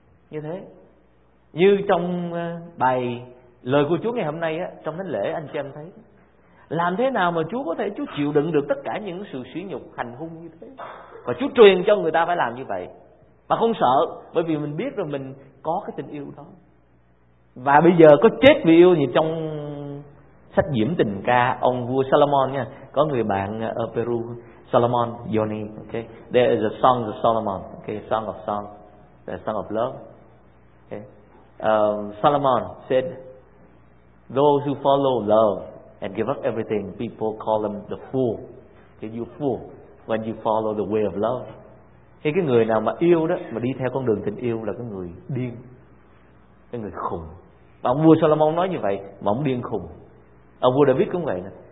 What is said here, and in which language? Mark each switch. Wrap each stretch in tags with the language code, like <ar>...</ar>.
<vi>Như thế, như trong bài lời của Chúa ngày hôm nay á, trong thánh lễ anh chị em thấy làm thế nào mà Chúa có thể Chúa chịu đựng được tất cả những sự sỉ nhục hành hung như thế, và Chúa truyền cho người ta phải làm như vậy mà không sợ, bởi vì mình biết rồi mình có cái tình yêu đó. Và bây giờ có chết vì yêu thì trong sách Diễm Tình Ca ông vua Solomon nha, có người bạn ở Peru, Solomon Yoni,</vi> <en>okay, there is a song of Solomon, okay, song of song, the song of love, okay. Solomon said, those who follow love and give up everything, people call them the fool. Okay, you fool when you follow the way of love.</en> <vi>Thì cái người nào mà yêu đó mà đi theo con đường tình yêu là cái người điên, cái người khùng. Và ông vua Solomon nói như vậy, mà ông điên khùng. Ông vua David cũng vậy nè.</vi>